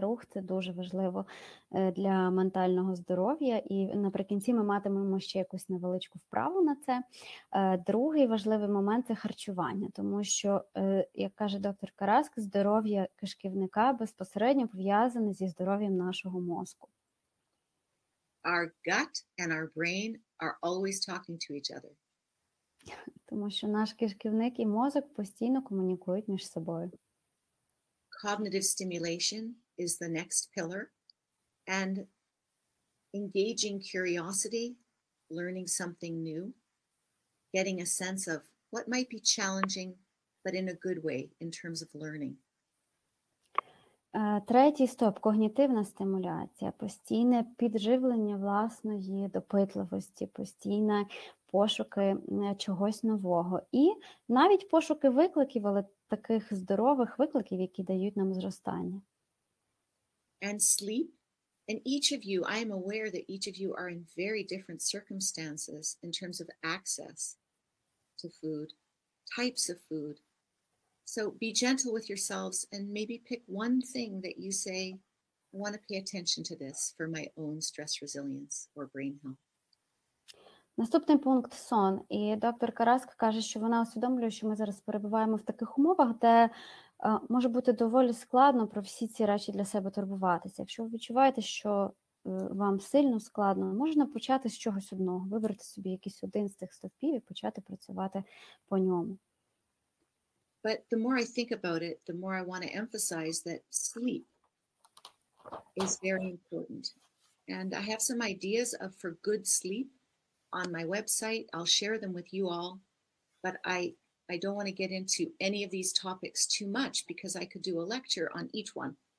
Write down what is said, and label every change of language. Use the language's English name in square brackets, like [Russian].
[Ukrainian] Рух – це дуже важливо для ментального здоров'я. І наприкінці ми матимемо ще якусь невеличку вправу на це. Другий важливий момент – це харчування. Тому що, як каже доктор Караск, здоров'я кишківника безпосередньо пов'язане зі здоров'ям нашого мозку. [English] Our gut and our brain are always talking to each other. [Ukrainian] Тому що наш кишківник і мозок постійно комунікують між собою. [English] Cognitive stimulation is the next pillar, and engaging curiosity, learning something new, getting a sense of what might be challenging, but in a good way in terms of learning. [Ukrainian] Третій стоп – когнітивна стимуляція, постійне підживлення власної допитливості, постійне пошуки чогось нового. І навіть пошуки викликів, але таких здорових викликів, які дають нам зростання. [English] And sleep. And each of you, I am aware that each of you are in very different circumstances in terms of access to food, types of food. So be gentle with yourselves and maybe pick one thing that you say, I want to pay attention to this for my own stress resilience or brain health. [Ukrainian] Наступний пункт – сон. І доктор Караск каже, що вона усвідомлює, що ми зараз перебуваємо в таких умовах, де може бути доволі складно про всі ці речі для себе турбуватися. Якщо ви відчуваєте, що вам сильно складно, можна почати з чогось одного, вибрати собі якийсь один з цих стовпів і почати працювати по ньому. [English] But the more I think about it, the more I want to emphasize that sleep is very important. And I have some ideas of for good sleep on my website. I'll share them with you all. But I don't want to get into any of these topics too much because I could do a lecture on each one.